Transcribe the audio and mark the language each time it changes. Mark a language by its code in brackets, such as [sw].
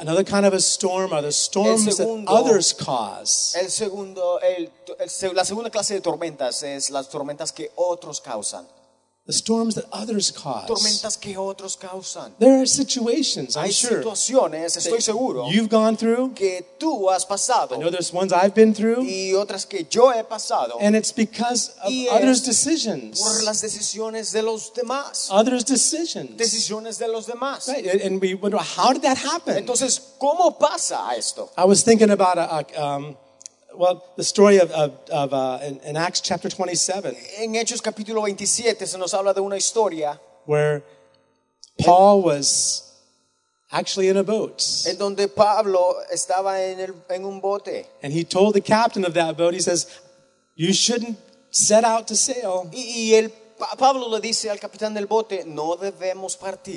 [en] Another kind of a storm are the storms that others cause. [es] La segunda clase de tormentas es las tormentas que otros causan. [en] The storms that others cause. [es] Tormentas que otros causan. [en] There are situations, I'm sure. [es] Hay situaciones, estoy seguro. [en] You've gone through. [es] Que tú has pasado. [en] I know there's ones I've been through. [es] Y otras que yo he pasado. [en] And it's because of others' decisions. [es] Por las decisiones de los demás. [en] Others' decisions. [es] Decisiones de los demás. [en] Right, and we wonder, how did that happen? [es] Entonces, ¿cómo pasa esto? [en] I was thinking about the story in Acts chapter 27. [es] En Hechos capítulo 27 se nos habla de una historia [en] where Paul was actually in a boat. [es] En donde Pablo estaba en un bote. [en] And he told the captain of that boat, he says, "You shouldn't set out to sail." [es] Pablo le dice al capitán del bote, no debemos partir.